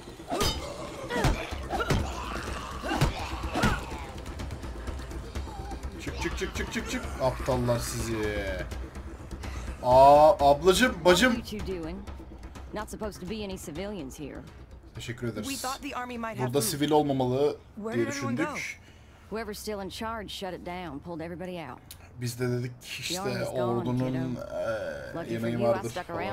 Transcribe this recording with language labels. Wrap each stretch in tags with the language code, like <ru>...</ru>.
<tr>Uh-oh. Çık çık çık çık çık. Aptallar sizi. Aa ablacım, bacım.</tr> <en>Not supposed to be any civilians here.</en> <tr>Teşekkür ederiz. Burada sivil olmamalı diye düşündük.</tr> <en>Whoever still in charge shut it down, pulled everybody out.</en> <tr>Biz de dedik işte ordunun yemeği vardır.</tr>